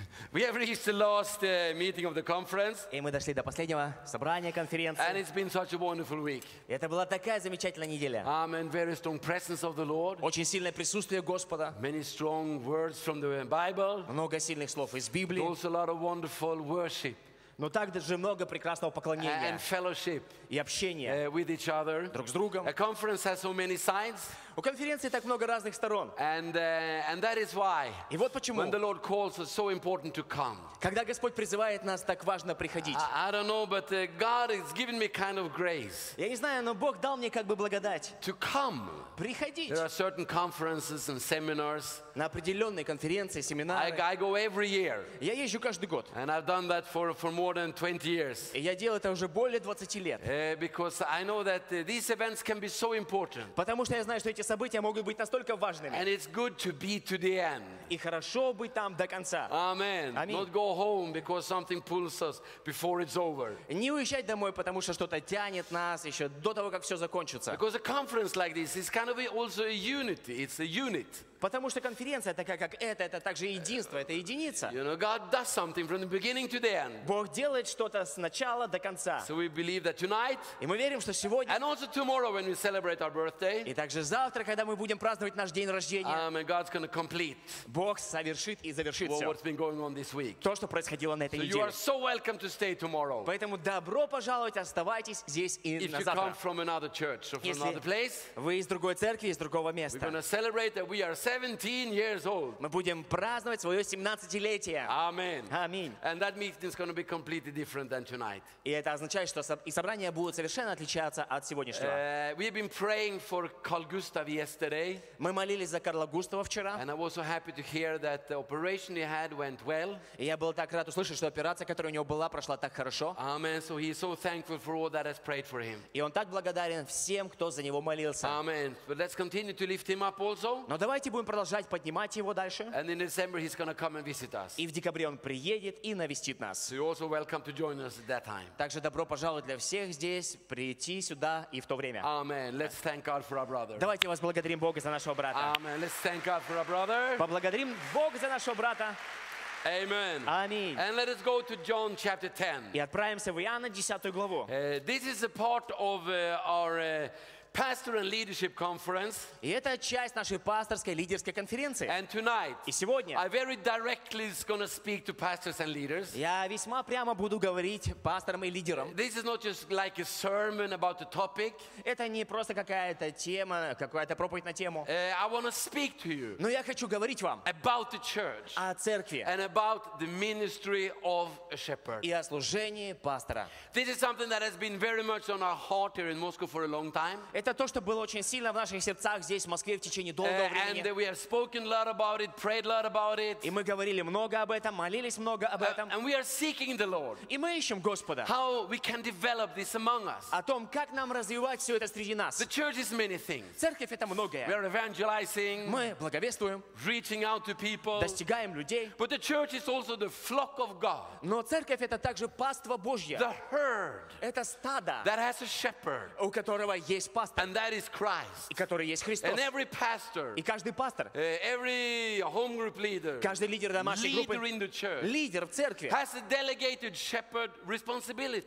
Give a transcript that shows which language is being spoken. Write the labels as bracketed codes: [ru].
[en] We have reached the last meeting of the conference. [ru] И мы дошли до последнего собрания конференции. [en] And it's been such a wonderful week. [ru] Это была такая замечательная неделя. [en] Amen. Very strong presence of the Lord. [ru] Очень сильное присутствие Господа. [en] Many strong words from the Bible. [ru] Много сильных слов из Библии. [en] Also a lot of wonderful worship. [ru] Но также много прекрасного поклонения [en] and fellowship [ru] и общения [en] with each other. [ru] Друг с другом. [en] A conference has so many sides. [ru] У конференции так много разных сторон. [en] And that is why, [ru] и вот почему, [en] when the Lord calls us, so important to come. [ru] Когда Господь призывает нас, так важно приходить. [en] I don't know, but God has given me kind of grace. [ru] Я не знаю, но Бог дал мне как бы благодать. [en] To come. [ru] Приходить. [en] There are certain conferences and seminars. [ru] На определенные конференции, семинары. [en] I go every year. [ru] Я езжу каждый год. [en] And I've done that for more than 20 years. [ru] И я делал это уже более 20 лет. [en] Because I know that these events can be so important. [ru] Потому что я знаю, что эти события могут быть настолько важными. [en] And it's good to be to the end. [ru] И хорошо быть там до конца. [en] Amen. [ru] Аминь. [en] Not go home because something pulls us before it's over. [ru] Не уезжать домой, потому что что-то тянет нас еще до того, как все закончится. [en] Because a conference like this is kind of also a unity. It's a unit. [ru] Потому что конференция такая, как это также единство, это единица. [en] You know, God does something from the beginning to the end. [ru] Бог делает что-то с начала до конца. [en] So we believe that tonight, [ru] и мы верим, что сегодня, [en] and also tomorrow when we celebrate our birthday, [ru] и также завтра, когда мы будем праздновать наш день рождения, [en] God's gonna complete, [ru] Бог совершит и завершит все. [en] What's been going on this week. [ru] То, что происходило на этой неделе. [en] So you are so welcome to stay tomorrow. [ru] Поэтому добро пожаловать, оставайтесь здесь и на завтра. [en] If you come from another church or from another place, [ru] вы из другой церкви, из другого места, [en] we're gonna celebrate that we are 17 years old. [ru] Мы будем праздновать свое 17-летие. [en] Amen. [ru] Аминь. [en] And that meeting is going to be completely different than tonight. [ru] И это означает, что и собрание будет совершенно отличаться от сегодняшнего. [en] We've been praying for Carl Gustav yesterday. [ru] Мы молились за Карла Густава вчера. [en] And I was so happy to hear that the operation he had went well. [ru] И я был так рад услышать, что операция, которая у него была, прошла так хорошо. [en] Amen. So he is so thankful for all that has prayed for him. [ru] И он так благодарен всем, кто за него молился. [en] Amen. But let's continue to lift him up also. [ru] Но давайте будем продолжать поднимать его дальше. [en] And in December he's gonna come and visit us. [ru] И в декабре он приедет и навестит нас. [en] So you're also welcome to join us at that time. [ru] Также добро пожаловать для всех здесь, прийти сюда и в то время. [en] Amen. Let's thank God for our brother. [ru] Давайте возблагодарим Бога за нашего брата. [en] Amen. Let's thank God for our brother. [ru] Поблагодарим Бога за нашего брата. [en] Amen. [ru] Аминь. [en] And let us go to John chapter 10. [ru] И отправимся в Иоанна 10 главу. [en] This is a part of our Pastor and Leadership Conference. [ru] И это часть нашей пасторской лидерской конференции. [en] And tonight, [ru] и сегодня, [en] I very directly is going to speak to pastors and leaders. [ru] Я весьма прямо буду говорить пасторам и лидерам. [en] This is not just like a sermon about a topic. [ru] Это не просто какая-то тема, какая-то проповедь на тему. [en] I want to speak to you. [ru] Но я хочу говорить вам [en] about the church. [ru] О церкви. [en] And about the ministry of a shepherd. [ru] И о служении пастора. [en] This is something that has been very much on our heart here in Moscow for a long time. [ru] Это то, что было очень сильно в наших сердцах здесь, в Москве, в течение долгого времени. [en] And we have spoken a lot about it, prayed a lot about it. [ru] И мы говорили много об этом, молились много об этом. [en] And we are seeking the Lord. [ru] И мы ищем Господа. [en] How we can develop this among us. [ru] О том, как нам развивать все это среди нас. [en] The church is many things. [ru] Церковь — это многое. [en] We are evangelizing. [ru] Мы благовествуем. [en] Reaching out to people. [ru] Достигаем людей. [en] But the church is also the flock of God. [ru] Но церковь — это также паство Божье. [en] The herd. [ru] Это стадо. [en] That has a shepherd. [ru] У которого есть пастор. [en] And that is Christ. [ru] И который есть Христос. [en] And every pastor. [ru] И каждый пастор. [en] Every home group leader. [ru] Каждый лидер домашней группы. [en] Leader in the church. [ru] Лидер в церкви. [en] Has a delegated shepherd responsibility.